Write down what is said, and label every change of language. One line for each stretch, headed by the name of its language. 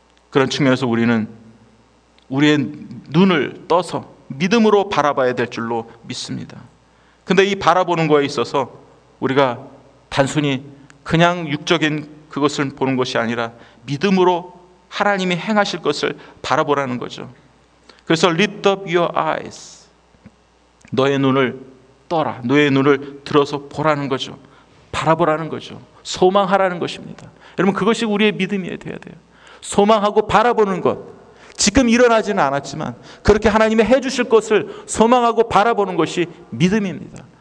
Korean: 그런 측면에서 우리는 우리의 눈을 떠서 믿음으로 바라봐야 될 줄로 믿습니다. 근데 이 바라보는 거에 있어서 우리가 단순히 그냥 육적인 그것을 보는 것이 아니라 믿음으로 하나님이 행하실 것을 바라보라는 거죠. 그래서
English: lift up your eyes.
Korean: 너의 눈을 떠라. 너의 눈을 들어서 보라는 거죠. 바라보라는 거죠. 소망하라는 것입니다. 여러분, 그것이 우리의 믿음이 되어야 돼요. 소망하고 바라보는 것. 지금 일어나지는 않았지만 그렇게 하나님이 해주실 것을 소망하고 바라보는 것이 믿음입니다.